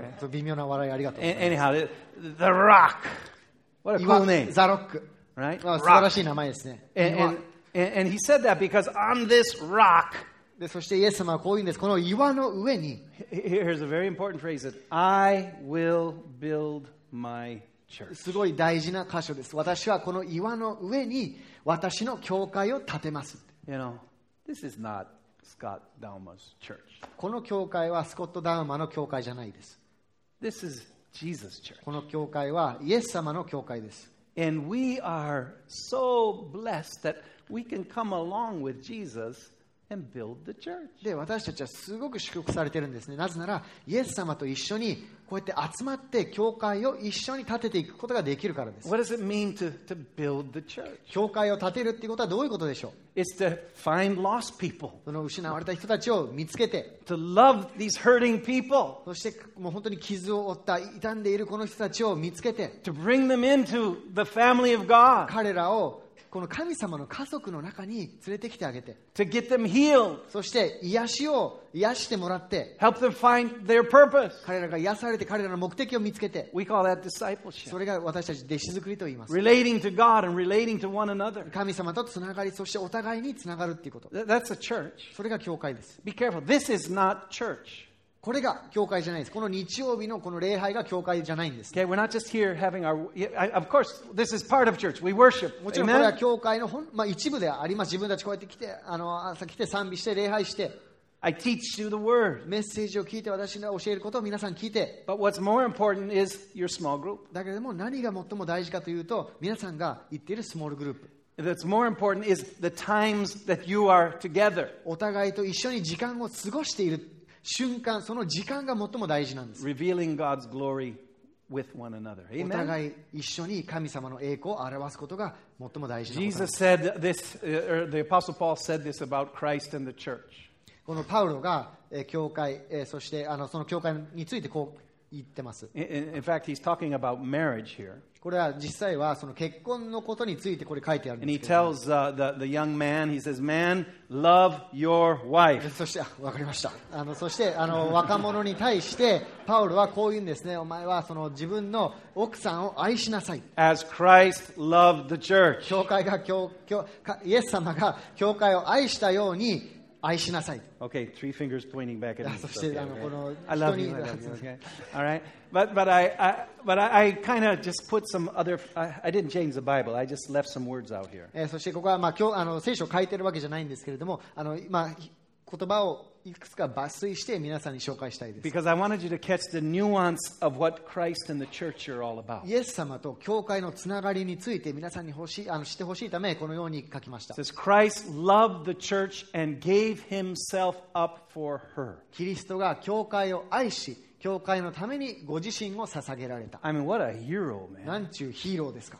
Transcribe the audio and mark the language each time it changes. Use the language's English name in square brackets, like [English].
[Japanese] 微妙な笑いありがとう。 [English] Anyhow, The Rock. What a cool name. [Japanese] ザロック。 [English] Right? [Japanese] 素晴らしい名前ですね。 [English] And he said that because on this rock. [Japanese] で、そしてイエス様はこう言うんです。この岩の上に。 [English] Here's a very important phrase that I will build my church. [Japanese] すごい大事な箇所です。私はこの岩の上に私の教会を建てます。 [English] You know, this is not Scott Dauma's church. [Japanese] この教会はスコット・ダウマの教会じゃないです。 [English] This is Jesus' church. [Japanese] この教会はイエス様の教会です。 [English] And we are so blessed that we can come along with Jesus and build the church. [Japanese] で、私たちはすごく祝福されてるんですね。なぜなら、イエス様と一緒にこうやって集まって教会を一緒に建てていくことができるからです。 [English] What does it mean to build the church? [Japanese] 教会を建てるっていうことはどういうことでしょう? [English] It's to find lost people. [Japanese] その失われた人たちを見つけて。 [English] To love these hurting people. [Japanese] そしてもう本当に傷を負った傷んでいるこの人たちを見つけて。 [English] To bring them into the family of God. [Japanese] 彼らをこの神様の家族の中に連れてきてあげて、 [English] to get them healed. [Japanese] そして癒しを癒してもらって、 [English] help them find their purpose. [Japanese] 彼らが癒されて彼らの目的を見つけて、 [English] we call that discipleship. [Japanese] それが私たち弟子作りと言います。 [English] relating to God and relating to one another. [Japanese] 神様とつながり、そしてお互いにつながるっていうこと。 [English] That's a church. [Japanese] それが教会です。 [English] Be careful. This is not church. [Japanese] これが教会じゃないです。この日曜日のこの礼拝が教会じゃないんです。 [English] Okay, we're not just here having our, of course, this is part of church. We worship. [Japanese] もちろんこれは教会の、まあ、一部であります。自分たちこうやって来て、朝来て賛美して礼拝して。 [English] I teach you the word. [Japanese] メッセージを聞いて私が教えることを皆さん聞いて。 [English] But what's more important is your small group. [Japanese] だけども何が最も大事かというと、皆さんが言っているスモールグループ。 [English] That's more important is the times that you are together. [Japanese] お互いと一緒に時間を過ごしている。瞬間その時間が最も大事なんです。 [English] Revealing God's glory with one another. [Japanese] お互い一緒に神様の栄光を表すことが最も大事なことです。 [English] Jesus said this, or the Apostle Paul said this about Christ and the church. [Japanese] このパウロが教会、そしてその教会についてこう言ってます。 [English] In fact, he's talking about marriage here. [Japanese] これは実際はその結婚のことについてこれ書いてあるんですけど。 [English] And he tells the young man, he says, man. Love your wife. [Japanese] そして、わかりました。そして、若者に対して、パウロはこう言うんですね。お前は、自分の奥さんを愛しなさい。 [English] As Christ loved the church. [Japanese] 教会が、イエス様が、教会を愛したように、愛しなさい。 [English] Okay, three fingers pointing back at me. [Japanese] そして、この、 [English] I love you, I love you, okay. All right. But I kind of just put some other, I didn't change the Bible. I just left some words out here. [Japanese] そしてここは、まあ、今日、聖書を書いてるわけじゃないんですけれども、まあ、言葉をいくつか抜粋して皆さんに紹介したいです。 [English] Because I wanted you to catch the nuance of what Christ and the church are all about. [Japanese] イエス様と教会のつながりについて皆さんに知ってほしいためこのように書きました。 [English] Says Christ loved the church and gave himself up for her. [Japanese] キリストが教会を愛し、教会のためにご自身を捧げられた。 [English] I mean, what a hero, man. [Japanese] なんちゅうヒーローですか。